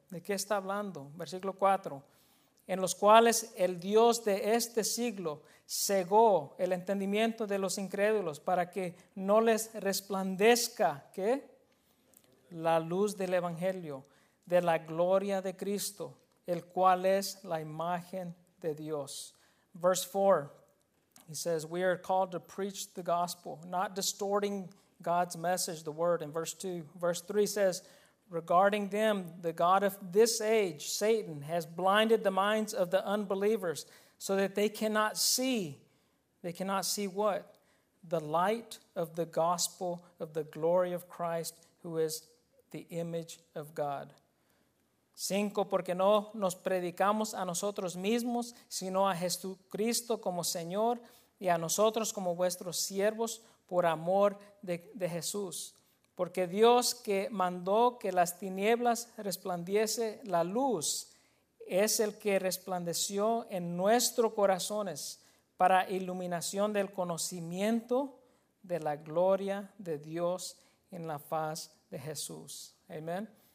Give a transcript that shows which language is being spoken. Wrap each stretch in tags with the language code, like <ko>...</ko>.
<es>¿De qué está hablando? Versículo 4. En los cuales el Dios de este siglo cegó el entendimiento de los incrédulos para que no les resplandezca, ¿qué? La luz del evangelio, de la gloria de Cristo, el cual es la imagen de Dios.</es> <en>Verse 4, he says, we are called to preach the gospel, not distorting God's message, the word, in verse 2. Verse 3 says, regarding them, the god of this age, Satan, has blinded the minds of the unbelievers so that they cannot see what? The light of the gospel of the glory of Christ, who is the image of God.</en> <es>5, porque no nos predicamos a nosotros mismos, sino a Jesucristo como Señor y a nosotros como vuestros siervos por amor de Jesús. Porque Dios que mandó que las tinieblas resplandiese la luz es el que resplandeció en nuestros corazones para iluminación del conocimiento de la gloria de Dios en la faz de Jesús. Amén.</es>